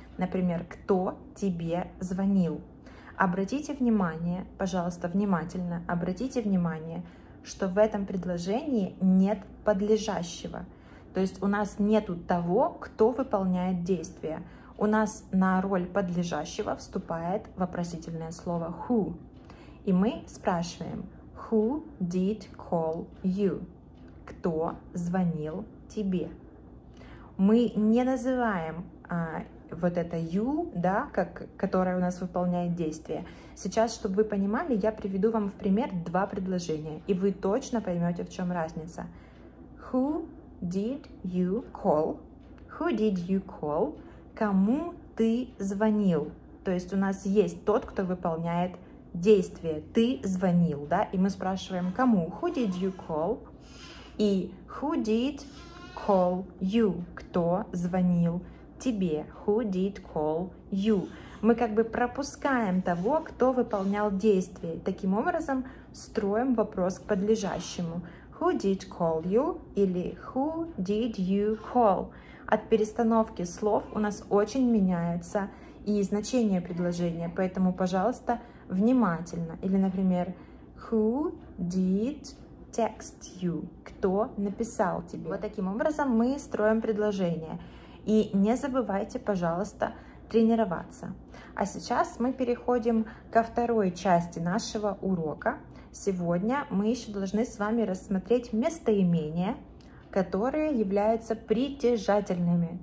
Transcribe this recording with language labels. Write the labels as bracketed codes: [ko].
[ru] Например, кто тебе звонил? Обратите внимание, пожалуйста, внимательно, обратите внимание, что в этом предложении нет подлежащего. То есть у нас нету того, кто выполняет действие. У нас на роль подлежащего вступает вопросительное слово who. И мы спрашиваем, [en] who did call you? [ru] Кто звонил тебе? Мы не называем вот это you, да, как, которое у нас выполняет действие. Сейчас, чтобы вы понимали, я приведу вам в пример два предложения, и вы точно поймете, в чем разница. [en] Who did you call? Who did you call? [ru] Кому ты звонил? То есть у нас есть тот, кто выполняет действие. Ты звонил, да, и мы спрашиваем, кому? [en] Who did you call? И who did call you? [ru] Кто звонил тебе? [en] Who did call you? [ru] Мы как бы пропускаем того, кто выполнял действие. Таким образом, строим вопрос к подлежащему. [en] Who did call you? Или who did you call? [ru] От перестановки слов у нас очень меняется и значение предложения. Поэтому, пожалуйста, внимательно. Или, например, [en] who did text you? [ru] Кто написал тебе? Вот таким образом мы строим предложение. И не забывайте, пожалуйста, тренироваться. А сейчас мы переходим ко второй части нашего урока. Сегодня мы еще должны с вами рассмотреть местоимения, которые являются притяжательными.